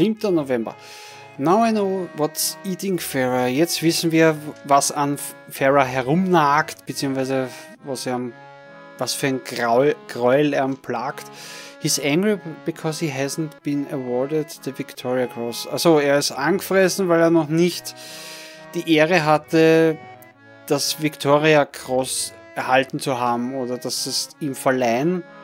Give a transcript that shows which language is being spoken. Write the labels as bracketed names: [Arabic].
[English] November 7. Now I know what's eating Farah. [German] Jetzt wissen wir, was an Farah herumnagt, beziehungsweise was für ein Gräuel er plagt. [English] He's angry because he hasn't been awarded the Victoria Cross. [German] Also er ist angefressen, weil er noch nicht die Ehre hatte, das Victoria Cross erhalten zu haben oder dass es ihm verleihen.